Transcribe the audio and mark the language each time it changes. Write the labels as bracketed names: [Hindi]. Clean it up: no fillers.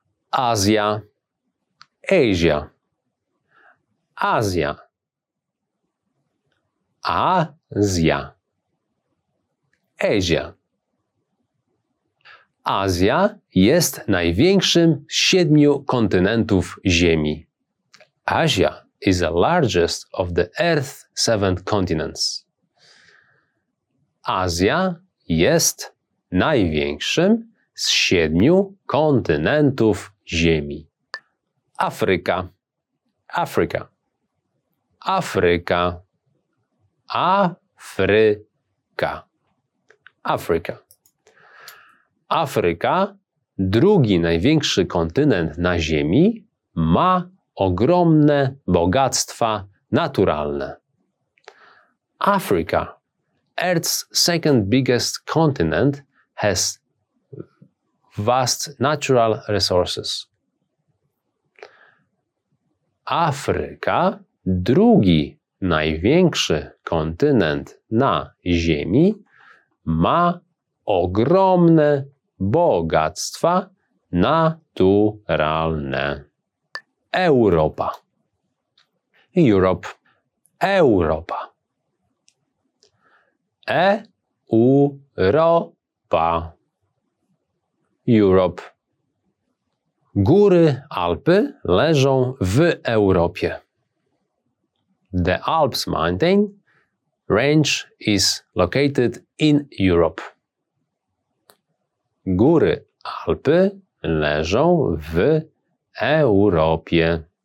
[Polish] Azja. Asia. Azja. Azja. Azja. Azja jest największym z 7 kontynentów Ziemi. [English] Asia is the largest of the Earth's 7 continents. [Polish] Azja jest największym z 7 kontynentów Ziemi. Afryka. Afryka. Afryka. Afryka. Afryka. Afryka, drugi największy kontynent na Ziemi, ma ogromne bogactwa naturalne. [English] Africa, Earth's second biggest continent, has vast natural resources. [Polish] Afryka, drugi największy kontynent na Ziemi, ma ogromne bogactwa naturalne. Europa. Europe. Europa. Europa. Europe. Góry Alpy leżą w Europie. [English] The Alps mountain range is located in Europe. [Polish] Góry Alpy leżą w Europie.